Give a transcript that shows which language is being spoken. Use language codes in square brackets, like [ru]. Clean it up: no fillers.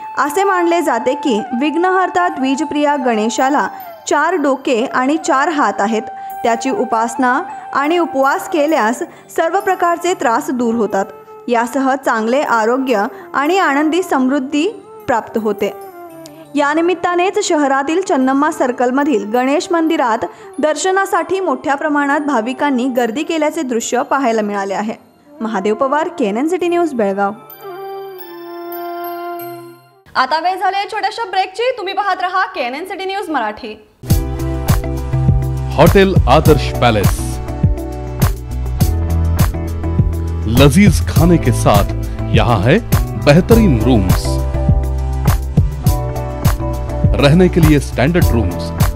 [mr] असे मानले जाते की विघ्नहर्ता द्विजप्रिया गणेशाला 4 डोके आणि 4 हात आहेत, त्याची उपासना आणि उपवास केल्यास सर्व प्रकारचे त्रास दूर होतात, यासह चांगले आरोग्य आणि आनंदी समृद्धी प्राप्त होते। यानिमित्तानेच शहरातील चन्नम्मा सर्कलमधील गणेश मंदिरात दर्शनासाठी मोठ्या प्रमाणात भाविकांनी गर्दी केल्याचे दृश्य पाहायला मिळाले आहे। Mahadev Pawar, KNN city news, Belgaum. आता वेळ झाली छोट्याशा ब्रेकची, तुम्ही पाहत रहा KNN city news Marathi. [hi] Hotel आदर्श पॅलेस, लजीज खाने के साथ यहां है बेहतरीन रूम्स, रहने के लिए स्टैंडर्ड रूम्स,